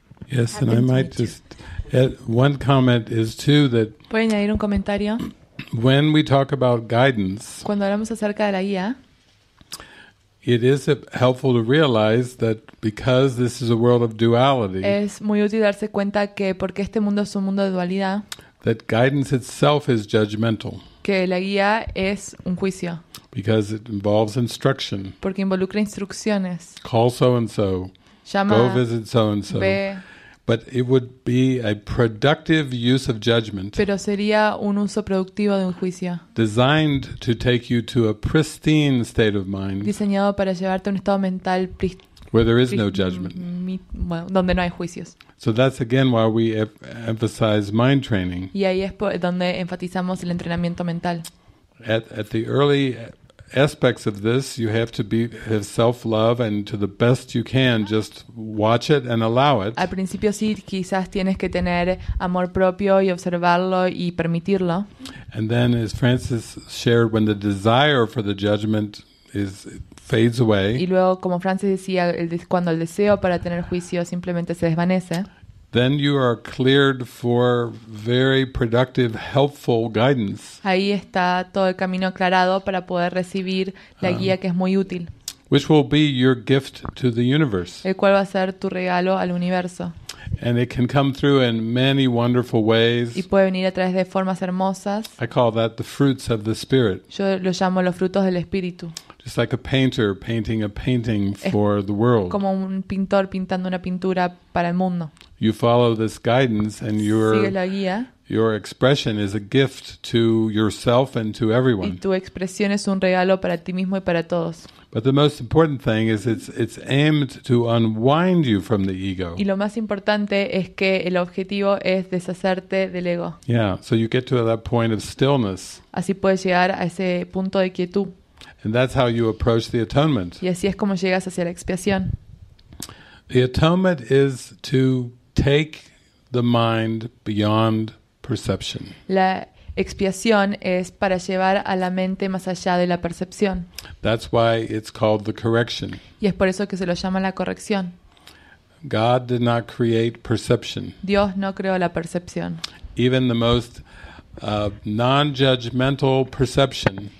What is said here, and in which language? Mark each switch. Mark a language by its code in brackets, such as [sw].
[en] Yes, and I might just add one comment is too that. [es] ¿Puedo añadir un comentario? [en] When we talk about guidance, [es] cuando hablamos acerca de la guía, [en] it is helpful to realize that because this is a world of duality, [es] es muy útil darse cuenta que porque este mundo es un mundo de dualidad, [en] that guidance itself is judgmental. [es] Que la guía es un juicio. [en] Because it involves instruction. [es] Porque involucra instrucciones. [en] Call so and so. [es] Llama, [en] go visit so and so. But it would be a productive use of judgment. [es] Pero sería un uso productivo de un juicio. [en] Designed to take you to a pristine state of mind. [es] Diseñado para llevarte a un estado mental [en] where there is no judgment. [es] Donde no hay juicios. [en] So that's again why we emphasize mind training. [es] Y ahí es donde enfatizamos el entrenamiento mental. [en] At the early aspects of this, you have to be have self-love, and to the best you can, just watch it and allow it. [es] Al principio sí, quizás tienes que tener amor propio y observarlo y permitirlo. [en] And then, as Francis shared, when the desire for the judgment is fades away. [es] Y luego, como Francis decía, cuando el deseo para tener juicio simplemente se desvanece. [en] then you are cleared for very productive, helpful guidance. [es] Ahí está todo el camino aclarado para poder recibir la guía que es muy útil. [en] Which will be your gift to the universe. [es] El cual va a ser tu regalo al universo. [en] And it can come through in many wonderful ways. [es] Y puede venir a través de formas hermosas. [en] I call that the fruits of the spirit. [es] Yo lo llamo los frutos del espíritu. [en] Just like a painter painting a painting for the world. [es] Como un pintor pintando una pintura para el mundo. [en] You follow this guidance and your expression is a gift to yourself and to everyone. [es] Y tu expresión es un regalo para ti mismo y para todos. [en] But the most important thing is it's aimed to unwind you from the ego. [es] Y lo más importante es que el objetivo es deshacerte del ego. [en] Yeah, so you get to that point of stillness. [es] Así puedes llegar a ese punto de quietud. [en] And that's how you approach the atonement. [es] Y así es como llegas hacia la expiación. [en] The atonement is to take the mind beyond perception. [es] La expiación es para llevar a la mente más allá de la percepción. [en] That's why it's called the correction. [es] Y es por eso que se lo llama la corrección. [en] God did not create perception. [es] Dios no creó la percepción. [en] Even the most non-judgmental perception.